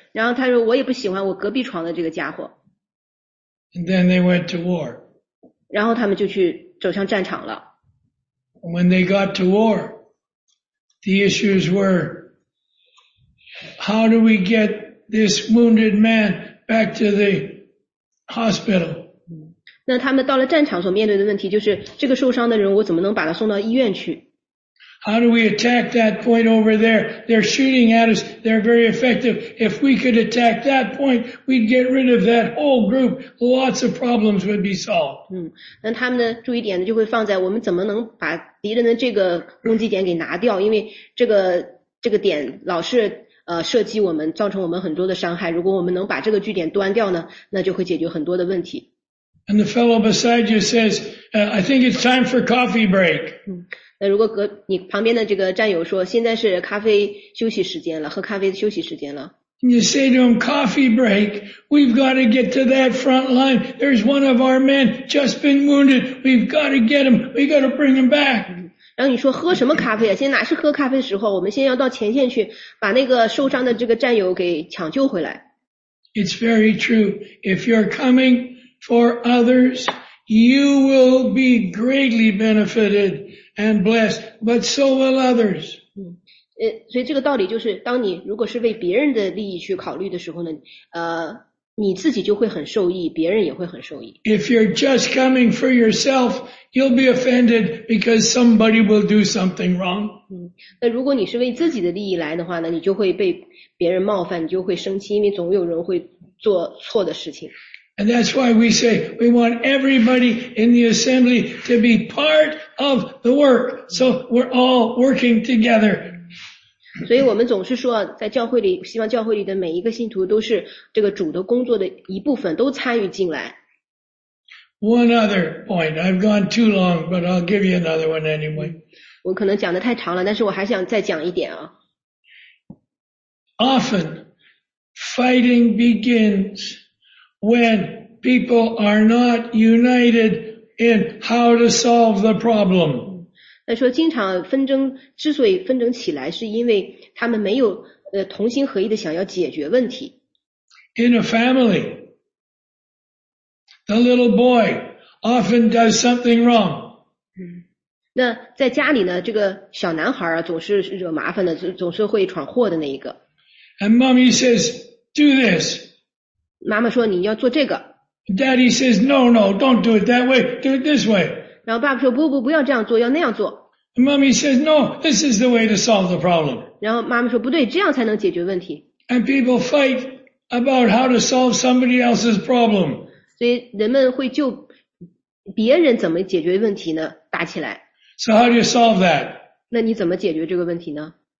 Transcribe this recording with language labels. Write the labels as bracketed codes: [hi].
[zh] 然后他说我也不喜欢我隔壁床的这个家伙。 [en] And then they went to war. [zh] 然后他们就去走向战场了。 [en] When they got to war, the issues were, how do we get this wounded man back to the hospital? [zh] 那他们到了战场所面对的问题就是这个受伤的人我怎么能把他送到医院去? [en] How do we attack that point over there? They're shooting at us. They're very effective. If we could attack that point, we'd get rid of that whole group. Lots of problems would be solved. [zh] 那他们的注意点就会放在我们怎么能把敌人的这个攻击点给拿掉，因为这个点老是射击我们，造成我们很多的伤害。如果我们能把这个据点端掉呢，那就会解决很多的问题。 [en] And the fellow beside you says, I think it's time for coffee break. [zh] 那如果你旁边的这个战友说，现在是咖啡休息时间了，喝咖啡休息时间了。 [en] You say to him, coffee break. We've got to get to that front line. There's one of our men just been wounded. We've got to get him. We've got to bring him back. [zh] 然后你说喝什么咖啡啊？现在哪是喝咖啡的时候？我们先要到前线去，把那个受伤的这个战友给抢救回来。 [en] It's very true. If you're coming for others, you will be greatly benefited and blessed, but so will others. [zh] 所以这个道理就是，当你如果是为别人的利益去考虑的时候呢，你自己就会很受益，别人也会很受益。 [en] If you're just coming for yourself, you'll be offended because somebody will do something wrong. [zh] 那如果你是为自己的利益来的话呢，你就会被别人冒犯，你就会生气，因为总有人会做错的事情。 [en] And that's why we say we want everybody in the assembly to be part of the work. So we're all working together. [zh] 所以我们总是说在教会里，希望教会里的每一个信徒都是这个主的工作的一部分，都参与进来。 [en] One other point. I've gone too long, but I'll give you another one anyway. [zh] 我可能讲得太长了，但是我还想再讲一点啊。 [en] Often, fighting begins... When people are not united in how to solve the problem. [zh] 他说经常纷争之所以纷争起来是因为他们没有同心合意的想要解决问题。 [en] In a family, the little boy often does something wrong. [zh] 那在家里呢这个小男孩啊总是惹麻烦的总是会闯祸的那一个。 [en] And mommy says, do this. [zh] 妈妈说你要做这个。 [en] Daddy says, no, no, don't do it that way, do it this way. [zh] 然后爸爸说不不不要这样做要那样做。 [en] Mommy says, no, this is the way to solve the problem. [zh] 然后妈妈说不对这样才能解决问题。 [en] And people fight about how to solve somebody else's problem. [zh] 所以人们会就别人怎么解决问题呢打起来。 [en] So how do you solve that? [zh] 那你怎么解决这个问题呢